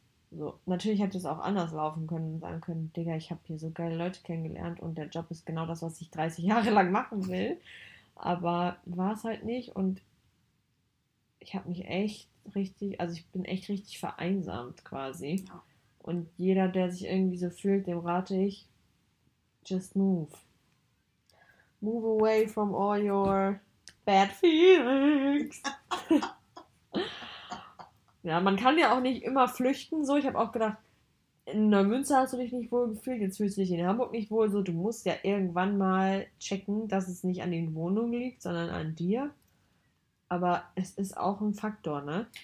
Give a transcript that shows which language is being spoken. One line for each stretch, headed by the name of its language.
German: So, natürlich hätte es auch anders laufen können, sagen können, Digga, ich habe hier so geile Leute kennengelernt und der Job ist genau das, was ich 30 Jahre lang machen will. Aber war es halt nicht und ich habe mich echt richtig, also ich bin echt richtig vereinsamt quasi. Und jeder, der sich irgendwie so fühlt, dem rate ich,
English: just move. Move away from all your bad feelings.
German: Ja, man kann ja auch nicht immer flüchten, so. Ich habe auch gedacht, in Neumünster hast du dich nicht wohl gefühlt, jetzt fühlst du dich in Hamburg nicht wohl. So, du musst ja irgendwann mal checken, dass es nicht an den Wohnungen liegt, sondern an dir. Aber es ist auch ein Faktor, ne?